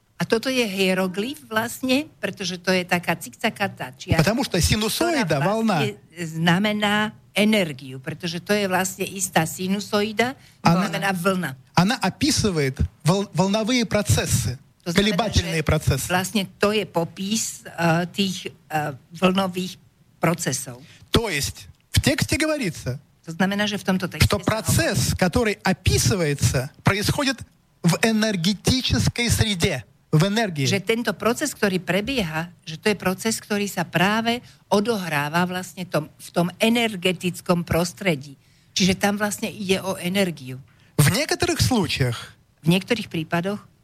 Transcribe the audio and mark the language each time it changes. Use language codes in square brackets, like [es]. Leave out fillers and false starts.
[sk] A toto je hieroglyf vlastne, pretože to je taká cikcakatá čiara. [ru] Потому что синусоида, волна, [sk] znamená energiu, pretože to je vlastne istá sinusoida, znamená vlna. [ru] Она описывает волновые процессы, колебательные процессы. [sk] Vlastne to je popis tých vlnových procesov. [ru] То есть в тексте говорится, [sk] to znamená, že v tomto texte, [ru] что процесс, который описывается, происходит в энергетической среде. [sk] V energii. Že tento proces, ktorý prebieha, že to je proces, ktorý sa práve odohráva vlastne tom, v tom energetickom prostredí. Čiže tam vlastne ide o energiu. V niektorých slučajach, v niektorých prípadoch,